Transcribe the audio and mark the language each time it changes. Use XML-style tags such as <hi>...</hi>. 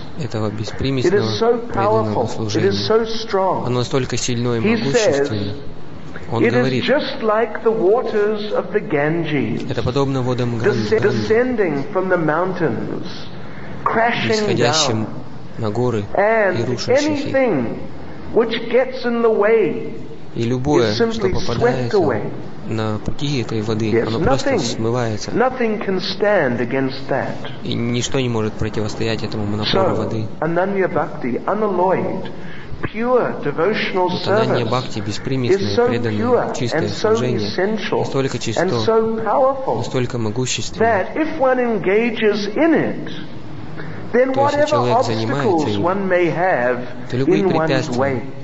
<ru>Этого беспримесного преданного служения.</ru> <en>It is so powerful.</en> <ru>Оно настолько сильное и могущественное. Он</ru> <en>it</en> <ru>говорит,</ru> <en>is just like the waters of the Ganges, descending from the mountains, crashing down, and anything which gets in the way is simply swept away.</en> <ru>На пути этой воды оно просто смывается.</ru> <en>Nothing can stand against that.</en> <ru>И ничто не может противостоять этому напору воды.</ru> <en>Ананья бхакти, unalloyed. Pure devotional service is so pure and so essential and so powerful that if one engages in it, then whatever obstacles one may have in one's way,</en>